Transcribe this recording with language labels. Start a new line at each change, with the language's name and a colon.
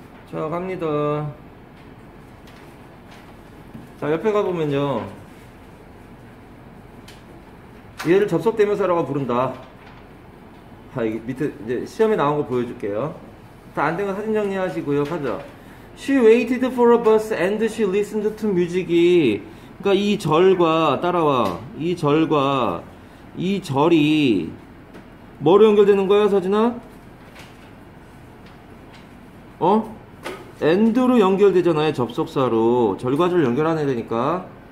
Korean: 자, 갑니다. 자, 옆에 가보면요. 얘를 접속대명사라고 부른다. 자, 이게 밑에 이제 시험에 나온 거 보여줄게요. 다 안 된 거 사진 정리하시고요. 가자.
English: She waited for a bus and she listened to music.
Korean: 그러니까 이 절과, 따라와. 이 절과, 이 절이 뭐로 연결되는 거야, 서진아? 어? 엔드로 연결되잖아요. 접속사로 절과절 연결하는 애니까.